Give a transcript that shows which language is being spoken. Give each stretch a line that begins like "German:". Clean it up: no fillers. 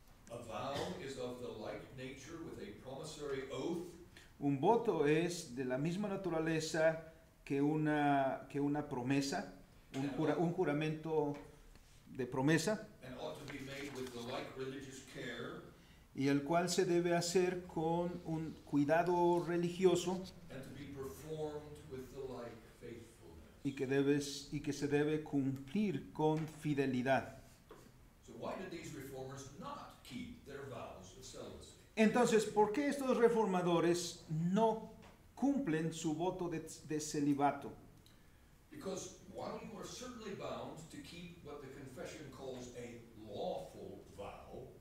English: a vow is of the like nature with a promissory oath.
Spanish: Un voto es de la misma naturaleza que una promesa, un juramento de promesa,
English: and ought to be made with the like religious care,
Spanish: y el cual se debe hacer con un cuidado religioso,
English: and to be performed with the like faithfulness.
Spanish: Y que se debe cumplir con fidelidad.
English: So why did these reformers not keep their vows of celibacy?
Spanish: Entonces, ¿por qué estos reformadores no cumplen su voto de celibato?
English: Because while you are certainly bound to keep what the confession calls a lawful vow,